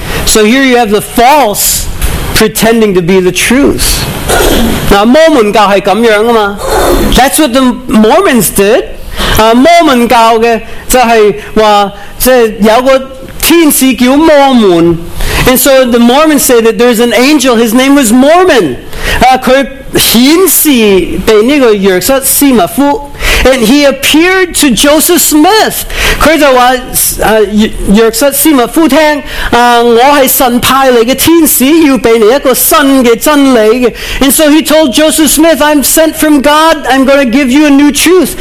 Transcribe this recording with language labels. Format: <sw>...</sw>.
<en>So here you have the false pretending to be the truth. Now, Mormon</en> <zh>教是这样的嘛。</zh> <en>That's what the Mormons did.</en> <zh>Mormon 教的就是说就是有个天使叫 Mormon.</zh> <en>And so the Mormons say that there's an angel, his name was Mormon.</en> <zh>他显示被那个约瑟斯密夫。</zh> <en>And he appeared to Joseph Smith.</en> <zh>他就说约瑟斯密夫听我是神派来的天使要给你一个新的真理。</zh> <en>And so he told Joseph Smith, I'm sent from God, I'm going to give you a new truth.</en>